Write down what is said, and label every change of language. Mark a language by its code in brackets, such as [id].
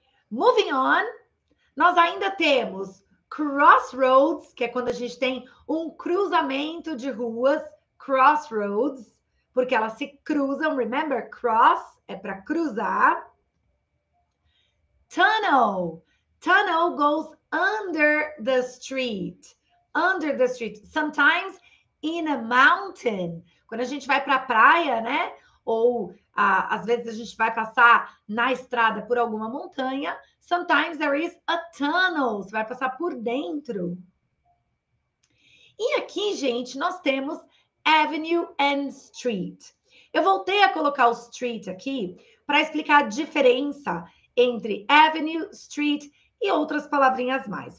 [pt] Moving on. Nós ainda temos crossroads, que é quando a gente tem um cruzamento de ruas. Crossroads. Porque elas se cruzam. [en] Remember, [pt] cross é para cruzar. [en] Tunnel. Tunnel goes under the street. Under the street. Sometimes in a mountain. [pt] Quando a gente vai para a praia, né? Ou às vezes a gente vai passar na estrada por alguma montanha. [en] Sometimes there is a tunnel. [pt] Você vai passar por dentro. E aqui, gente, nós temos avenue and street. Eu voltei a colocar o street aqui para explicar a diferença entre avenue, street e outras palavrinhas mais.